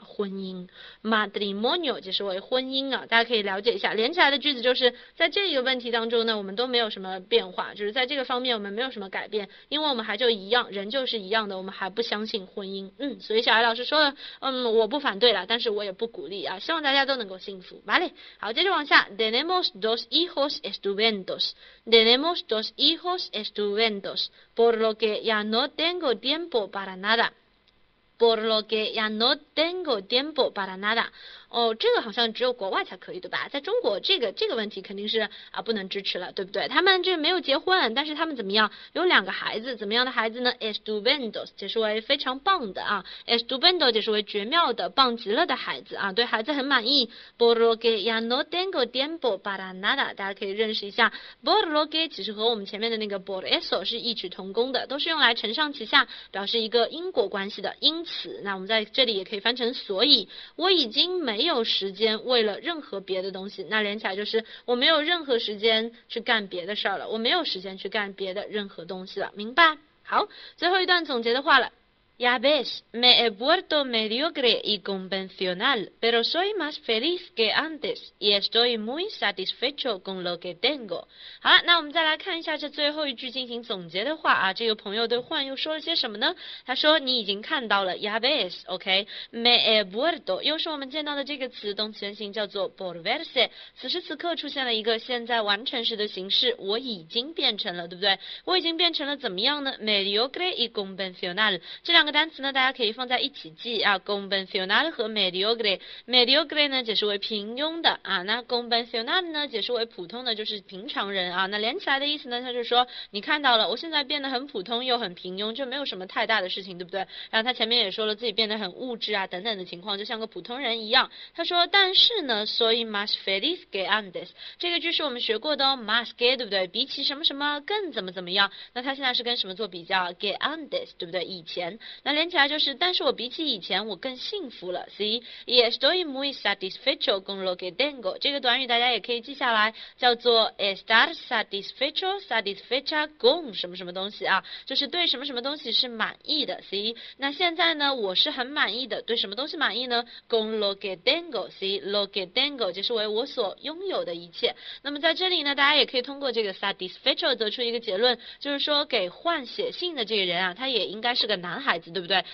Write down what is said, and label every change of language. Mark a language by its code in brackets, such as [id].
[zh] 婚姻，matrimonio 解释为婚姻啊，大家可以了解一下，连起来的句子就是在这个问题当中呢，我们都没有什么变化，就是在这个方面我们没有什么改变，因为我们还就一样，人就是一样的，我们还不相信婚姻。所以小艾老师说的，我不反对了，但是我也不鼓励啊，希望大家都能够幸福，vale。好，接着往下， [es] tenemos dos hijos。 Estupendos. Tenemos dos hijos estupendos, por lo que ya no tengo tiempo para nada. Por lo que ya no tengo tiempo para nada. [zh] 哦，这个好像只有国外才可以，对吧？在中国，这个问题肯定是啊，不能支持了，对不对？他们这没有结婚，但是他们怎么样？有两个孩子，怎么样的孩子呢？ [es] Estupendos， [zh] 解释为非常棒的啊，Estupendo 解释为绝妙的、棒极了的孩子啊，对孩子很满意。 [es] Por lo que ya no tengo tiempo para nada， [zh] 大家可以认识一下。 Por lo que 其实和我们前面的那个 por eso 是异曲同工的，都是用来承上启下，表示一个因果关系的。因此，那我们在这里也可以翻成所以，我已经没有。没有时间为了任何别的东西，那连起来就是我没有任何时间去干别的事儿了，我没有时间去干别的任何东西了，明白？好，最后一段总结的话了。 [es] Ya ves, me he vuelto mediocre y convencional, pero soy más feliz que antes y estoy muy satisfecho con lo que tengo. [zh] 好了，那我们再来看一下这最后一句进行总结的话啊，这个朋友对幻又说了些什么呢？他说你已经看到了， [es] Ya ves, [zh] OK, [es] me he vuelto [zh] 又是我们见到的这个词，动词原形叫做 volverse，此时此刻出现了一个现在完成时的形式，我已经变成了，对不对？我已经变成了怎么样呢？ [es] Mediocre y convencional， [zh] 这两两个单词呢，大家可以放在一起记啊。convencional 和 mediocre，mediocre 呢解释为平庸的啊，那 convencional 呢解释为普通的，就是平常人啊。那连起来的意思呢，它就是说你看到了，我现在变得很普通又很平庸，就没有什么太大的事情，对不对？然后他前面也说了自己变得很物质啊等等的情况，就像个普通人一样。他说，但是呢， [es] soy más feliz que antes， [zh] 这个句式我们学过的哦，más que 对不对？比起什么什么更怎么怎么样？那他现在是跟什么做比较？que antes 对不对？以前，那连起来就是，但是我比起以前我更幸福了。 [es] See, y estoy muy satisfecho con lo que tengo。 [zh] 这个短语大家也可以记下来，叫做 estar satisfecho, satisfecha con 什么什么东西啊，就是对什么什么东西是满意的。 See, 那现在呢，我是很满意的，对什么东西满意呢？ [es] con lo que tengo。 [zh] See, [es] lo que tengo [zh] 就是为我所拥有的一切。那么在这里呢，大家也可以通过这个 satisfecho 得出一个结论，就是说给换血性的这个人啊，他也应该是个男孩子，对不对？